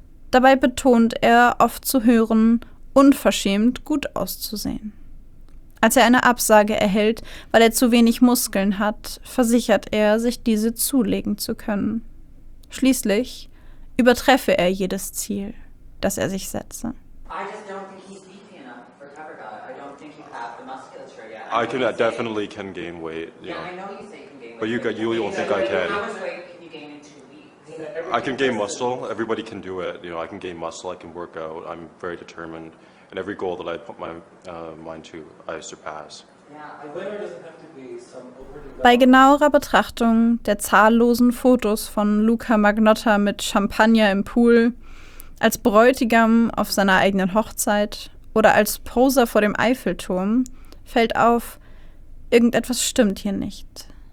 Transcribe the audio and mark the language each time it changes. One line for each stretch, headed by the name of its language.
German: Dabei betont er, oft zu hören, unverschämt gut auszusehen. Als er eine Absage erhält, weil er zu wenig Muskeln hat, versichert er, sich diese zulegen zu können. Schließlich übertreffe er jedes Ziel, das er sich setze.
English: I just don't think he's beefy enough for cover guy. I don't think you have the musculature yet. I definitely can gain weight. Yeah. Yeah, I know you say you can gain weight. But you don't think I can. How much weight can you gain in 2 weeks? I can gain muscle. Everybody can do it. You know, I can gain muscle. I can work out. I'm very determined. And every goal that I put my mind to, I surpass.
German: Bei genauerer Betrachtung der zahllosen Fotos von Luca Magnotta mit Champagner im Pool, als Bräutigam auf seiner eigenen Hochzeit oder als Poser vor dem Eiffelturm fällt auf, irgendetwas stimmt hier nicht.